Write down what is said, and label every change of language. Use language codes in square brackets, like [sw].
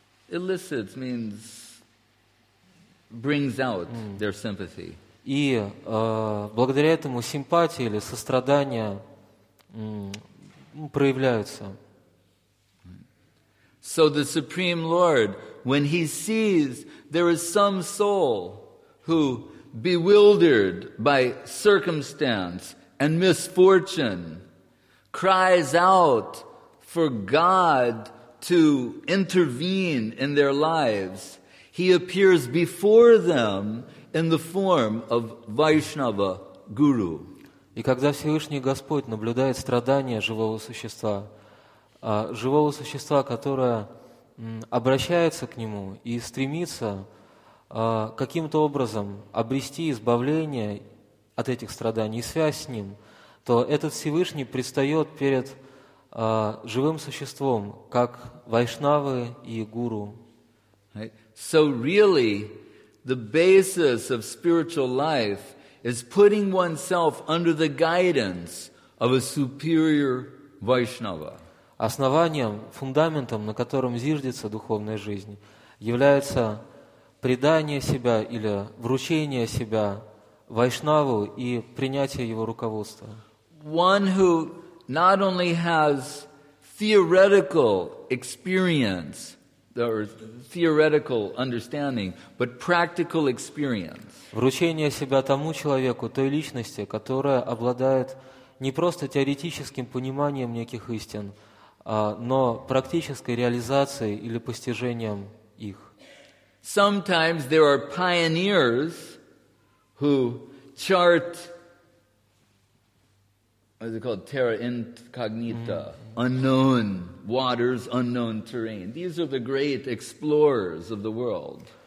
[en] Elicits means brings out their sympathy. [ru] И благодаря этому симпатия или сострадание проявляются. [en] So the Supreme Lord, when he sees there is some soul who, bewildered by circumstance and misfortune, cries out for God to intervene in their lives, he appears before them in the form of Vaishnava Guru. [ru] И когда Всевышний Господь наблюдает страдания живого существа, живого существа, которое обращается к нему и стремится каким-то образом обрести избавление от этих страданий и связь с ним, то этот Всевышний предстает перед живым существом как вайшнавы и гуру. [en] Right. So really, the basis of spiritual life is putting oneself under the guidance of a superior Vaishnava. [ru] Основанием, фундаментом, на котором зиждется духовная жизнь, является предание себя или вручение себя вайшнаву и принятие его руководства. [en] One who not only has theoretical experience or theoretical understanding, but practical experience. [ru] Вручение себя тому человеку, той личности, которая обладает не просто теоретическим пониманием неких истин, но практической реализацией или постижением их. [en] Sometimes there are pioneers who chart, what is it called, terra incognita, unknown waters, unknown terrain. These are the great explorers of the world.